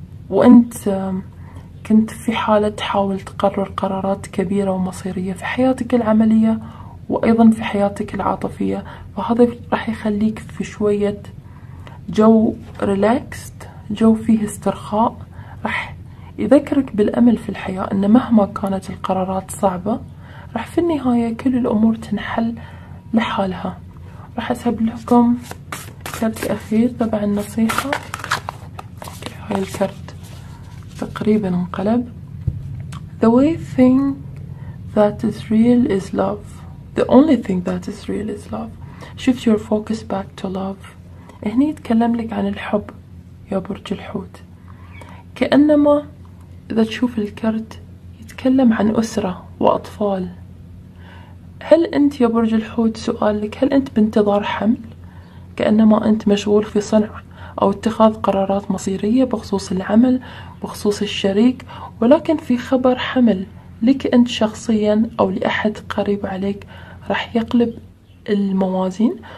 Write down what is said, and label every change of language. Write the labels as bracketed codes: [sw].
[ar] وأنت كنت في حالة تحاول تقرر قرارات كبيرة ومصيرية في حياتك العملية وأيضا في حياتك العاطفية، فهذا راح يخليك في شوية جو ريلاكست، جو فيه استرخاء، راح يذكرك بالأمل في الحياة، أن مهما كانت القرارات صعبة راح في النهاية كل الأمور تنحل لحالها. راح أسحب لكم كرت أخير تبع النصيحة. هاي الكرت تقريبا انقلب. [en] The way thing that is real is love. The only thing that is real is love. Shift your focus back to love. [ar] هني يتكلم لك عن الحب يا برج الحوت. كأنما إذا تشوف الكرت يتكلم عن أسرة وأطفال. هل أنت يا برج الحوت، سؤالك، هل أنت بانتظار حمل؟ كأنما أنت مشغول في صنع أو اتخاذ قرارات مصيرية بخصوص العمل، بخصوص الشريك، ولكن في خبر حمل لك أنت شخصيا أو لأحد قريب عليك راح يقلب الموازين.